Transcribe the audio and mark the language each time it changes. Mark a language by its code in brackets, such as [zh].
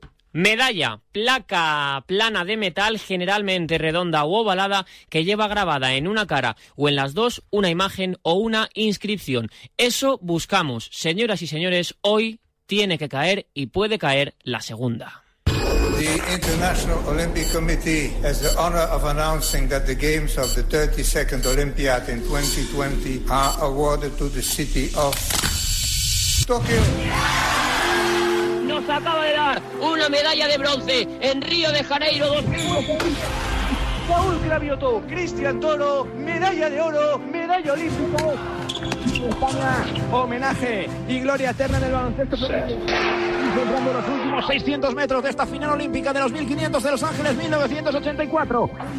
[es] Medalla, placa plana de metal, generalmente redonda u ovalada, que lleva grabada en una cara o en las dos una imagen o una inscripción. Eso buscamos, señoras y señores, hoy tiene que caer y puede caer la segunda. [en] The International Olympic Committee has the honor of announcing that the games of the 32nd Olympiad in 2020 are awarded to the city of Tokyo. [es] Nos acaba de dar una medalla de bronce en Río de Janeiro 2020. Paul Cravioto, Cristian Toro, medalla de oro, medalla olímpica. España, homenaje y gloria eterna en el baloncesto. Celebrando los últimos 600 metros de esta final olímpica de los 1500 de Los Ángeles 1984.